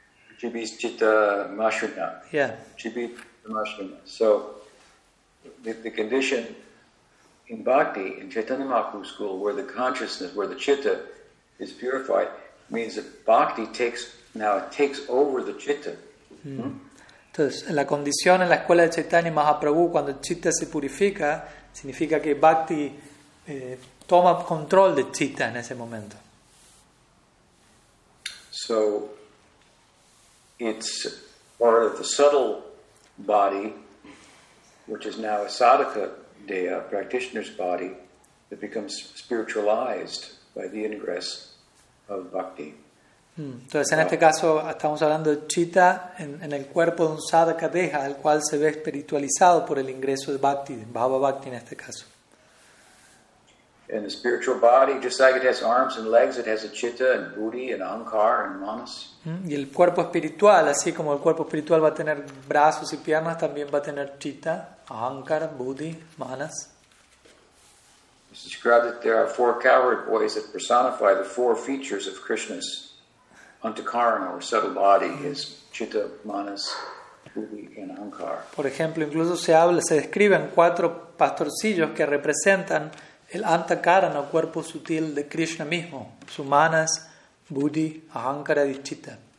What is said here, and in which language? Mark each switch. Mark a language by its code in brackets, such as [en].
[sa] Ruchi B is Chitta Mashrina. [en] Yeah. [sa] Ruchi B Mashrina. [en] So, the condition in Bhakti, in Chaitanya Mahaprabhu school, where the consciousness, where the Chitta is purified, means that Bhakti takes over the Chitta. [es] Entonces, la condición en la escuela de Chaitanya Mahaprabhu, cuando el Chitta se purifica, significa que Bhakti toma control de chitta en ese momento. [en] So, it's part of the subtle body, which is now a sadhaka deha, practitioner's body, that becomes spiritualized by the ingress of Bhakti. [es] Entonces, en este caso, estamos hablando de chitta en el cuerpo de un sadhaka deha, el cual se ve espiritualizado por el ingreso de bhakti, bhava bhakti en este caso. [en] And the spiritual body, just like it has arms and legs, it has a chitta and buddhi and ankar and manas. [es] Y el cuerpo espiritual, así como el cuerpo espiritual va a tener brazos y piernas, también va a tener chitta, ankar, buddhi, manas. [en] It's described that there are four cowherd boys that personify the four features of Krishna's antakarana or subtle body, his chitta, manas, buddhi, and ankar. [es] Por ejemplo, incluso se describen cuatro pastorcillos que representan el antakarana, el cuerpo sutil de Krishna mismo, su manas, buddhi, ahankara y chitta.